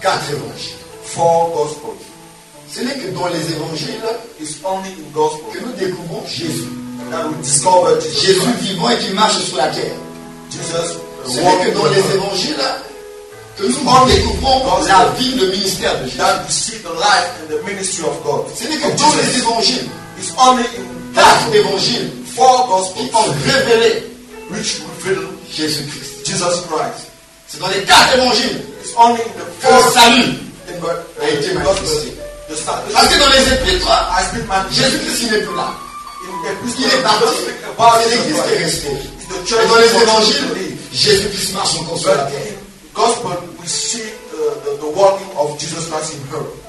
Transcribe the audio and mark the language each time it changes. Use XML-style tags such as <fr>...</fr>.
<fr>Quatre évangiles.</fr> <en>Four gospels.</en> <fr>Ce n'est que dans les évangiles,</fr> <en>it's only in gospel,</en> <fr>que nous découvrons Jésus.</fr> <en>That we discover Jesus.</en> <fr>Jésus vivant et qui marche sur la terre.</fr> <en>Jesus.</en> <fr>Ce n'est que dans les évangiles que nous en découvrons</fr> <en>gospel,</en> <fr>la vie, le ministère de Jésus.</fr> <en>That we see the life and the ministry of God.</en> <fr>Ce n'est que dans Jesus, les évangiles.</fr> <en>It's only in</en> <fr>quatre évangiles,</fr> <en>four gospels,</en> <fr>qui ont révélé,</fr> <en>which reveal</en> <fr>Jésus Christ.</fr> <en>Jesus Christ.</en> <fr>C'est dans les quatre évangiles.</fr> <en>It's only in the four</en> <fr>salut in a été manifesté. Parce que dans les épîtres, Jésus-Christ n'est plus là. Il est parti. C'est l'Église qui est restée. Et dans les évangiles, Jésus-Christ marche encore sur la terre.</fr> <en>Gospel, we see the walking of Jesus Christ in her.</en>